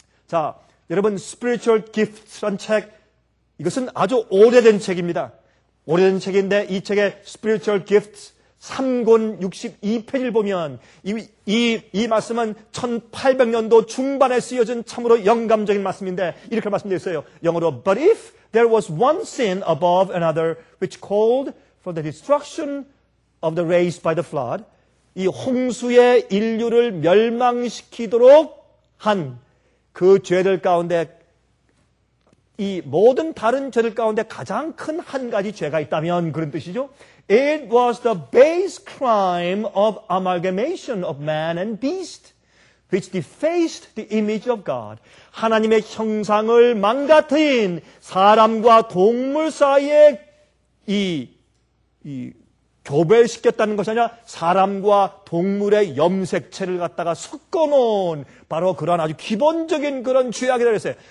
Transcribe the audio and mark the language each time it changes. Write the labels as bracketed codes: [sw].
[ko] 자, 여러분 Spiritual Gifts라는 책 이것은 아주 오래된 책입니다. 오래된 책인데 이 책의 Spiritual Gifts 3권 62페이지를 보면 이 말씀은 1800년도 중반에 쓰여진 참으로 영감적인 말씀인데 이렇게 말씀되어 있어요. [en] 영어로 But if there was one sin above another which called for the destruction of the race by the flood [ko] 이 홍수의 인류를 멸망시키도록 한 그 죄들 가운데 이 모든 다른 죄들 가운데 가장 큰 한 가지 죄가 있다면 그런 뜻이죠. [en] It was the base crime of amalgamation of man and beast, which defaced the image of God. [ko] 하나님의 형상을 망가뜨린 사람과 동물 사이에 이 교배시켰다는 것이 아니라 사람과 동물의 염색체를 갖다가 섞어놓은 바로 그런 아주 기본적인 그런 죄악이라고 했어요.